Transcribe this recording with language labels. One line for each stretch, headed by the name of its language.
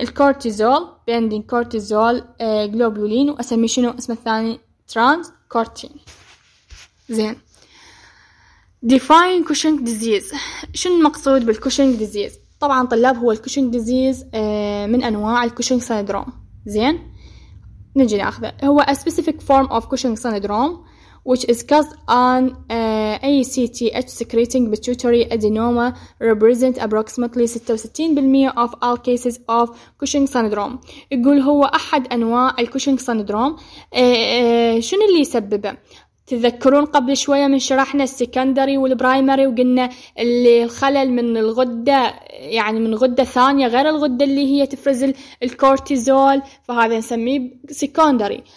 Arabic: الكورتيزول بيندنج كورتيزول جلوبولين، واسميه شنو اسم الثاني؟ ترانس كورتين زين. ديفاين كوشنج ديزيز، شنو المقصود بالكوشنج ديزيز؟ طبعا طلاب هو الكوشنج ديزيز من انواع الكوشنج سيندروم زين. نجي ناخذه، هو
English: a specific form of Cushing syndrome which is caused on ACTH secreting pituitary adenoma represent approximately 66% of all cases of Cushing syndrome.
Arabic: يقول هو أحد أنواع الكوشنج سندروم. شنو اللي يسببه؟ تذكرون قبل شوية من شرحنا السكندري والبرايمري، وقلنا اللي الخلل من الغدة، يعني من غدة ثانية غير الغدة اللي هي تفرز الكورتيزول، فهذا نسميه سكندري.